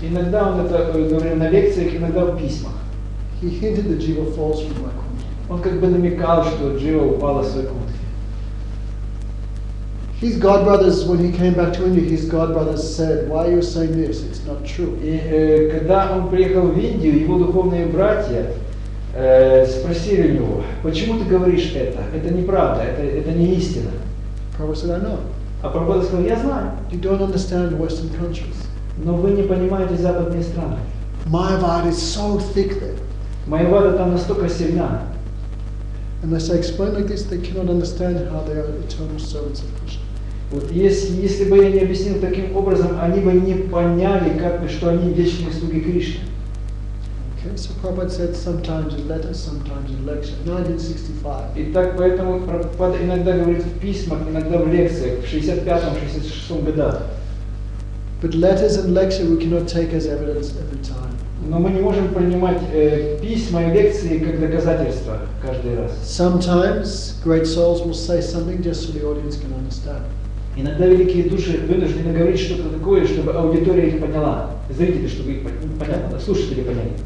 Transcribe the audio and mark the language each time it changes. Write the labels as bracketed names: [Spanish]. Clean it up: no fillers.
[Russian] Иногда он это говорил на лекциях, иногда в письмах. [English] He hinted that Jiva falls from Vaikunth. [Russian] Он как бы намекал, что Джива упала с Вайкунтхи. [English] His god brothers, when he came back to India, his god brothers said, "Why are you saying this? It's not true." [Russian] И когда он приехал в Индию, его духовные братья спросили его, почему ты говоришь это? Это неправда, это не истина. [English] Prabhupada said, "I know." [Russian] А Прабхупада сказал, я знаю. [English] You don't understand Western countries. [Russian] Но вы не понимаете западные страны. [English] Майявада is so thick there. [Russian] Майявада там настолько сильна. [English] Unless I explain like this, they cannot understand how they are eternal servants of Krishna. [Russian] Вот если бы я не объяснил таким образом, они бы не поняли, как бы, что они вечные слуги Кришны. [English] Okay, so Prabhupada said sometimes in letters, sometimes in lectures, 1965. [Russian] Итак, поэтому Прабхупада иногда говорит в письмах, иногда в лекциях, в 65-66 годах. [English] But letters and lectures we cannot take as evidence every time. [Russian] Но мы не можем принимать письма и лекции как доказательства каждый раз. [English] Sometimes great souls will say something just so the audience can understand. [Russian] Иногда великие души вынуждены говорить что-то такое, чтобы аудитория их поняла, зрители, чтобы их поняли, слушатели поняли.